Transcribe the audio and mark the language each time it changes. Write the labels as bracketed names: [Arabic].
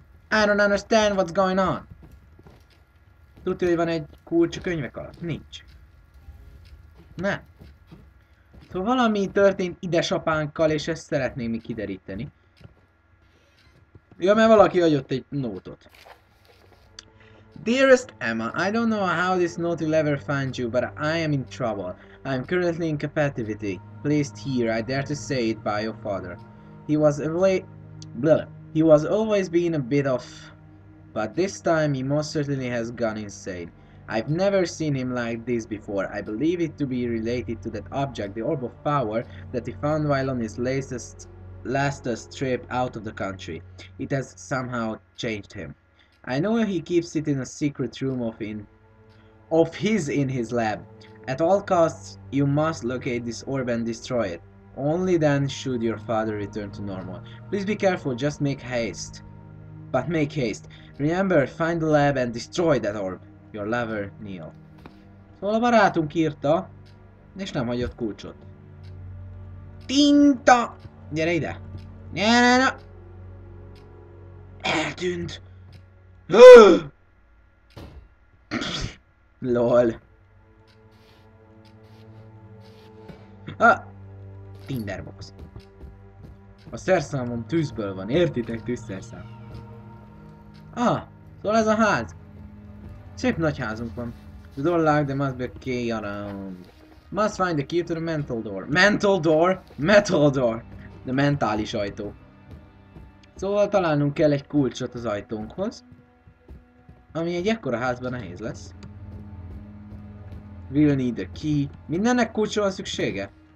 [English] I don't understand what's going on. [Hungarian] Tudja, hogy van egy kulcs a könyvek alatt? Nincs. Ne. Szóval valami történt idesapánkkal, és ezt szeretném mi kideríteni. Ja, mert valaki adott egy nótot. [English] Dearest Emma, I don't know how this note will ever find you, but I am in trouble. I'm currently in captivity, placed here, I dare to say it, by your father. He was away... Blah. He was always being a bit off, but this time he most certainly has gone insane. I've never seen him like this before. I believe it to be related to that object, the Orb of Power, that he found while on his latest trip out of the country. It has somehow changed him. I know he keeps it in a secret room of his in his lab. At all costs, you must locate this orb and destroy it. Only then should your father return to normal. Please be careful, just make haste. But make haste. Remember, find the lab and destroy that orb. Your lover, Neil. [Hungarian] Szóval a barátunk írta, és nem hagyott kulcsot. Tinta! Gyere ide! Gyere, na! Eltűnt! [English] Lol. Ah! Tinderbox. [Hungarian] A szerszámom tűzből van, értitek, tűzszerszám? Ah! Szóval ez a ház. Szép nagy házunk van. [English] The door locked, there must be a key around. Must find the key to the mental door. Mental door? Metal door! The [Hungarian] mentális ajtó. Szóval találnunk kell egy kulcsot az ajtónkhoz. Ami egy ekkora házban nehéz lesz. [English] We'll need a key. [Hungarian] Mindennek kulcsra van szüksége?